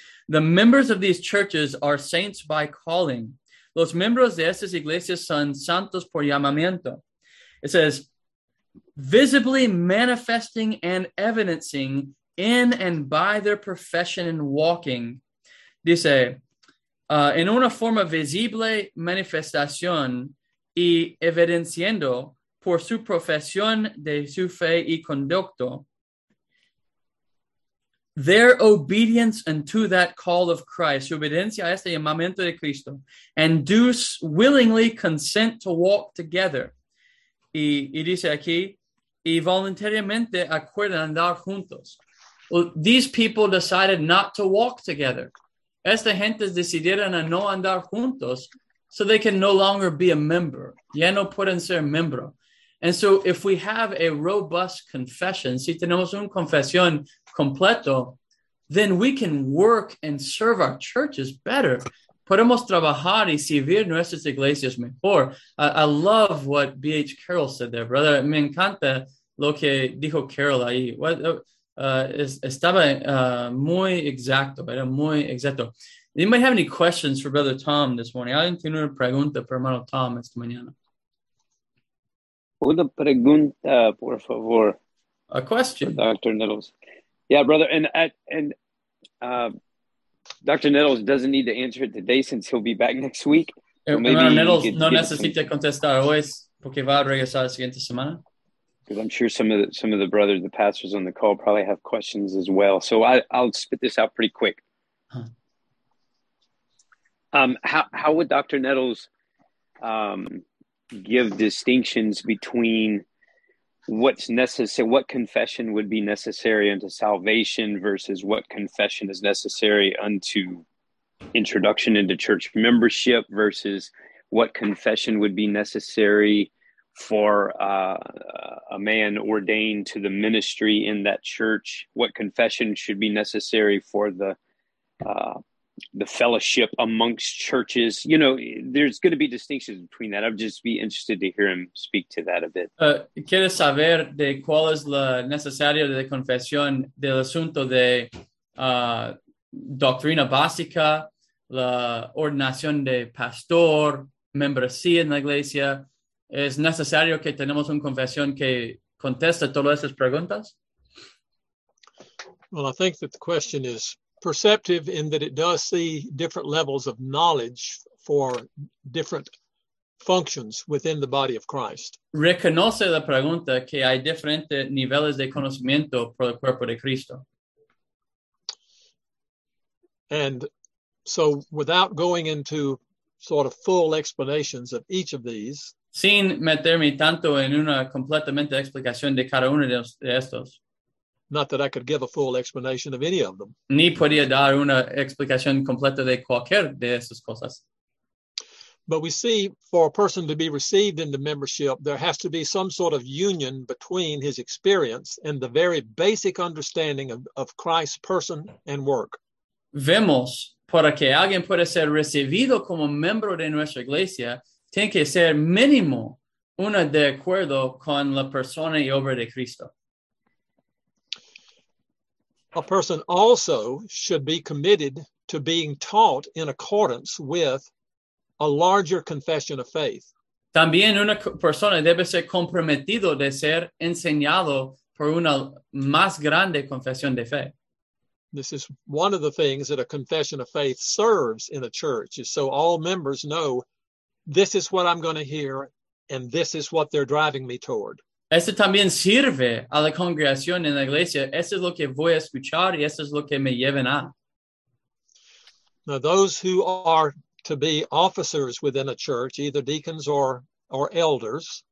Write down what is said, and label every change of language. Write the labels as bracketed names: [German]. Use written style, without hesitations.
[English] The members of these churches are saints by calling. [Spanish] Los miembros de estas iglesias son santos por llamamiento. [English] It says, visibly manifesting and evidencing in and by their profession and walking. [Spanish] Dice, en una forma visible manifestación y evidenciando por su profesión de su fe y conducto. [English] Their obedience unto that call of Christ, [Spanish] su obediencia a este llamamiento de Cristo, [English] and do willingly consent to walk together. [Spanish] Y dice aquí, y voluntariamente acuerdan andar juntos. [English] Well, these people decided not to walk together. [Spanish] Esta gente decidieron a no andar juntos, [English] so they can no longer be a member. [Spanish] Ya no pueden ser miembro. [English] And so if we have a robust confession, [Spanish] si tenemos un confesión completo, [English] then we can work and serve our churches better. [Spanish] podemos trabajar y servir nuestras iglesias mejor. [English] I love what B.H. Carroll said there, brother. [Spanish] Me encanta lo que dijo Carroll ahí. Estaba muy exacto. [English] You might have any questions for Brother Tom this morning. [Spanish] ¿Alguien tiene una pregunta para hermano Tom esta mañana? Una pregunta, por favor. [English] A question. Dr. Nettles. Yeah, brother, Dr. Nettles doesn't need to answer it today since he'll be back next week. [Spanish] Hermano Nettles no necesita contestar hoy porque va a regresar la siguiente semana. [English] Because I'm sure some of the brothers, the pastors on the call probably have questions as well. So I'll spit this out pretty quick. Huh. How would Dr. Nettles give distinctions between what's necessary, what confession would be necessary unto salvation versus what confession is necessary unto introduction into church membership versus what confession would be necessary for a man ordained to the ministry in that church? What confession should be necessary for the fellowship amongst churches? You know, there's going to be distinctions between that. I'd just be interested to hear him speak to that a bit. [Spanish] ¿Quieres saber de cuál es la necesaria de confesión del asunto de doctrina básica, la ordenación de pastor, membresía en la iglesia? ¿Es necesario que tenemos una confesión que conteste todas esas preguntas? [English] Well, I think that the question is perceptive in that it does see different levels of knowledge for different functions within the body of Christ. [Spanish] Reconoce la pregunta que hay diferentes niveles de conocimiento por el cuerpo de Cristo. [English] And so without going into sort of full explanations of each of these, [Spanish] sin meterme tanto en una completamente explicación de cada uno de estos. [English] Not that I could give a full explanation of any of them. [Spanish] Ni podía dar una explicación completa de cualquier de estas cosas. [English] But we see for a person to be received into membership, there has to be some sort of union between his experience and the very basic understanding of Christ's person and work. [Spanish] Vemos, para que alguien pueda ser recibido como miembro de nuestra iglesia, tiene que ser mínimo una de acuerdo con la persona y obra de Cristo. [English] A person also should be committed to being taught in accordance with a larger confession of faith. [Spanish] También una persona debe ser comprometido de ser enseñado por una más grande confesión de fe. [English] This is one of the things that a confession of faith serves in a church, is so all members know this is what I'm going to hear, and this is what they're driving me toward. [Spanish] Esto también sirve a la congregación en la iglesia. Esto es lo que voy a escuchar y esto es lo que me lleven a. [English] Now, those who are to be officers within a church, either deacons or elders.